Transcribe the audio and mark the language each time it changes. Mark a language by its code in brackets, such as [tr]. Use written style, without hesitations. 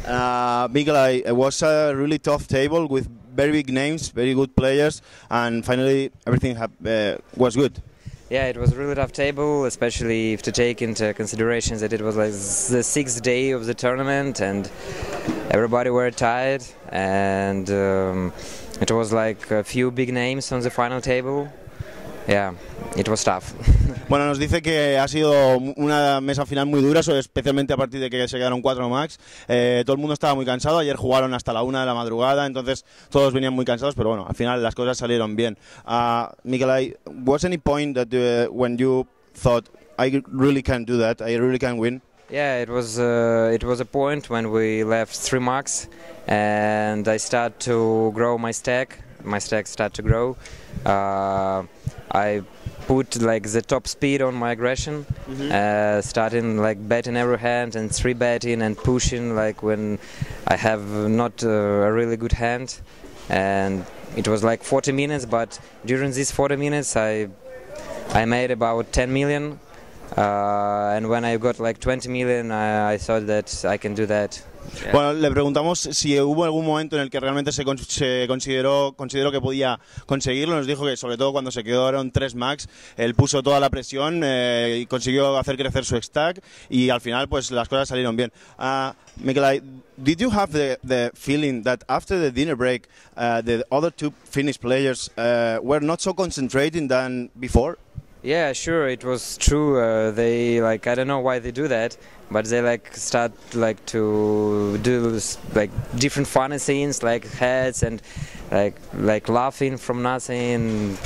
[en] Mikalaj, it was a really tough table with very big names, very good players, and finally everything was good. Yeah, it was a really tough table, especially if to take into consideration that it was like the sixth day of the tournament and everybody were tired, and it was like a few big names on the final table. Yeah, it was tough. [es] Bueno, nos dice que ha sido una mesa final muy dura, especialmente a partir de que se quedaron 4 max. Todo el mundo estaba muy cansado, ayer jugaron hasta la 1 de la madrugada, entonces todos venían muy cansados, pero bueno, al final las cosas salieron bien. [en] Mikalaj, was any point that when you thought I really can do that, I really can win? Yeah, it was a point when we left 3 max and I start to grow my stack. My stack start to grow. I put like the top speed on my aggression, starting like betting every hand and 3 betting and pushing like when I have not a really good hand, and it was like 40 minutes, but during these 40 minutes I made about 10 million, and when I got like 20 million I thought that I can do that. Yeah. [es] Bueno, le preguntamos si hubo algún momento en el que realmente se consideró que podía conseguirlo. Nos dijo que sobre todo cuando se quedaron 3 max, él puso toda la presión y consiguió hacer crecer su stack y al final pues las cosas salieron bien. [en] Mikalaj, did you have the feeling that after the dinner break the other two Finnish players were not so concentrated than before? Yeah, sure, it was true. They like, I don't know why they do that, but they like start like to do like different funny scenes, like heads and like laughing from nothing.